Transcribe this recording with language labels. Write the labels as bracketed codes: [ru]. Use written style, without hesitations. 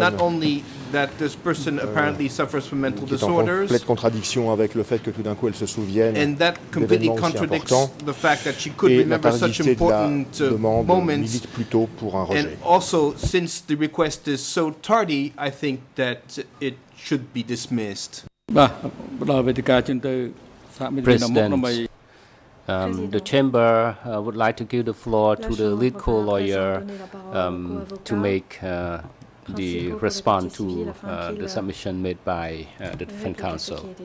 [en] not only that this person apparently suffers from mental [fr] qui est en complète contradiction avec le fait que tout d'un coup, elle se souvienne d'événements aussi importants, et la tardité de la demande milite plutôt pour un rejet. [en] And also, since the request is so tardy, I think that it should be dismissed. President, the chamber would like to give the floor to the legal lawyer to make the response to the submission made by the defense counsel.